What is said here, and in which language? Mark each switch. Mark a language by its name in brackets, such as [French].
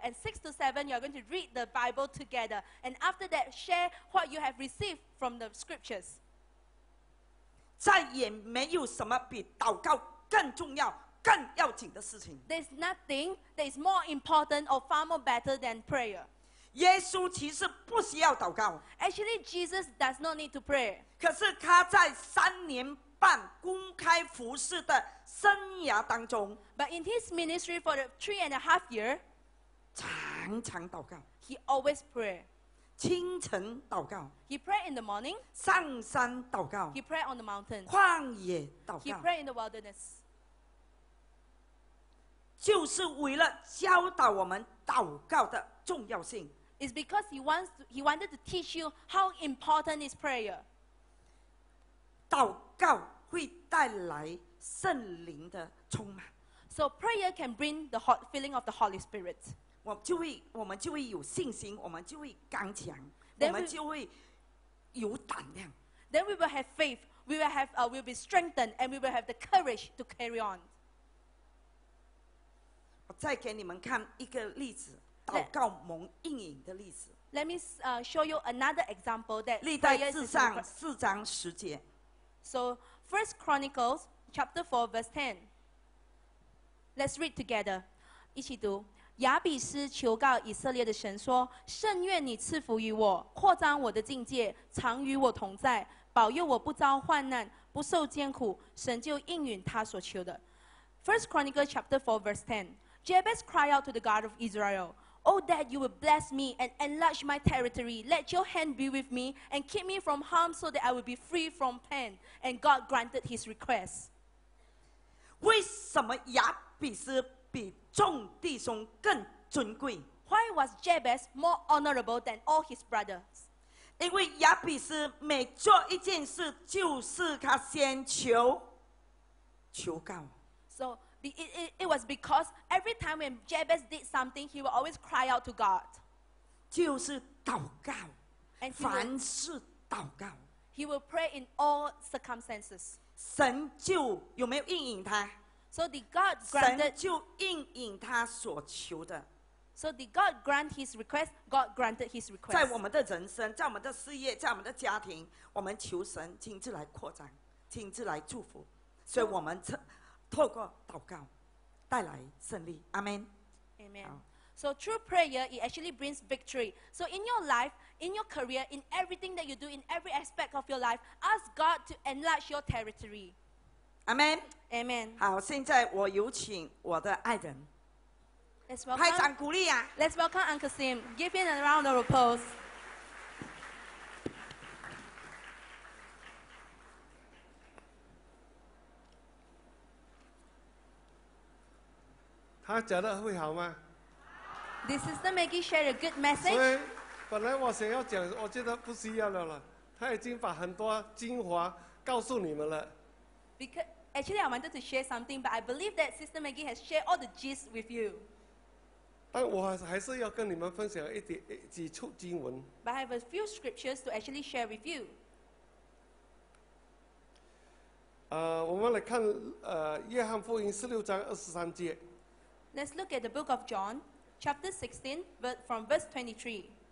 [English] And 6 to 7, you are going to read the Bible together. And after that, share what you have received from the scriptures. [Chinese] 再也没有什么比祷告更重要、更要紧的事情。 [English] There's nothing that is more important or far more better than prayer. [Chinese] 耶稣其实不需要祷告。 [English] Actually, Jesus does not need to pray. [Chinese] 可是他在3年半公开服事的生涯当中 [English] ，But in his ministry for the 3.5 years, [Chinese] 常常祷告。 [English] He always pray. [Chinese] 清晨祷告。 [English] He pray in the morning. [Chinese] 上山祷告。 [English] He pray on the mountain. [Chinese] 旷野祷告。 [English] He pray in the wilderness. [Chinese] 就是为了教导我们祷告的重要性。 [English] It's because he wanted to teach you how important is prayer. [Chinese] 祷告会带来圣灵的充满。 [English] So prayer can bring the hot feeling of the Holy Spirit. [Chinese] 我们就会有信心，我们就会刚强， then、我们就会有胆量。 [English] Then we will have faith. We will have we'll be strengthened, and we will have the courage to carry on. [Chinese] 我再给你们看一个例子。祷告蒙应允的例子。 [English] Let me show you another example that. [Chinese] 历代志上4:10。 [English] So First Chronicles chapter 4 verse 10. Let's read together. [Chinese] 一起读。亚比斯求告以色列的神说：“甚愿你赐福于我，扩张我的境界，常与我同在，保佑我不遭患难，不受艰苦。” 神就应允他所求的。 [English] First Chronicles chapter 4 verse 10. Jabez cried out to the God of Israel. Oh, that you will bless me and enlarge my territory. Let your hand be with me and keep me from harm so that I will be free from pain. And God granted his request. [Chinese] 为什么亚比斯比众弟兄更尊贵？ [English] Why was Jabez more honorable than all his brothers? [Chinese] 因为亚比斯每做一件事就是他先求告。 [English] So,It was because every time when Jabez did something, he would always cry out to God. [Chinese] 就是祷告，凡事祷告。 [English] He will pray in all circumstances. [Chinese] 神就有没有应允他？ [English] So did God granted? [Chinese] 神就应允他所求的。 [English] So did God grant his request? God granted his request. [Chinese] 在我们的人生，在我们的事业，在我们的家庭，我们求神亲自来扩张，亲自来祝福，所以我们透过祷告带来胜利。 [English] Amen. Amen. So through prayer, it actually brings victory. So in your life, in your career, in everything that you do, in every aspect of your life, ask God to enlarge your territory. Amen. Amen. [Chinese] 好，现在我有请我的爱人。 [English] Let's welcome, [Chinese] 拍掌鼓励啊。 [English] Let's welcome Uncle Sim. Give him a round of applause. [Chinese] 他讲得会好吗？ [English] Did Sister Maggie share a good message? [Chinese] 所以本来我想要讲，我觉得不需要了。他已经把很多精华告诉你们了。 [English] Because actually I wanted to share something, but I believe that Sister Maggie has shared all the gist with you. [Chinese] 但我还是要跟你们分享一点几处经文。 [English] But I have a few scriptures to actually share with you. [Chinese] 我们来看约翰福音16:23。 [English] Let's look at the book of John, chapter 16, but from verse 23.